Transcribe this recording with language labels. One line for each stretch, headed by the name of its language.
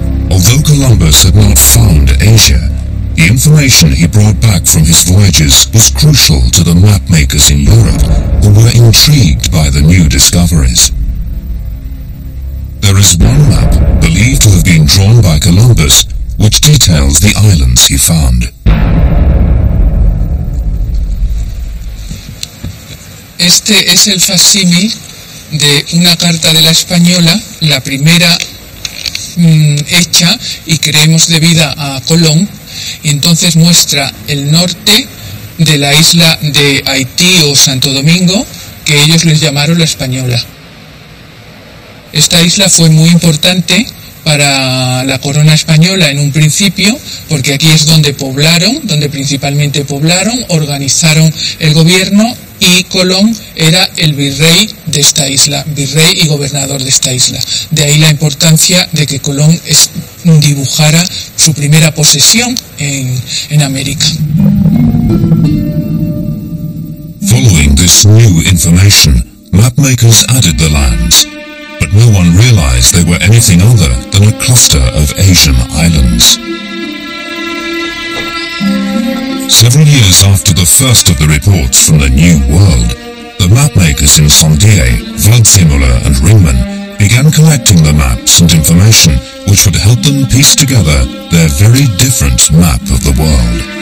English: Although Columbus had not found Asia, the information he brought back from his voyages was crucial to the map makers in Europe, who were intrigued by the new discoveries. There is one map, believed to have been drawn by Columbus, which details the islands he found.
Spanish: Este es el facsímil de una carta de la Española, la primera hecha y creemos debida a Colón, y entonces muestra el norte de la isla de Haití o Santo Domingo, que ellos les llamaron la Española. Esta isla fue muy importante para la corona española en un principio, porque aquí es donde poblaron, donde principalmente poblaron, organizaron el gobierno, y Colón era el virrey de esta isla, virrey y gobernador de esta isla. De ahí la importancia de que Colón dibujara su primera posesión en América.
English: Following this new information, mapmakers added the lands, but no one realized they were anything other than a cluster of Asian islands. Several years after the first of the reports from the New World, the mapmakers in Saint-Dié, Waldseemuller and Ringmann began collecting the maps and information which would help them piece together their very different map of the world.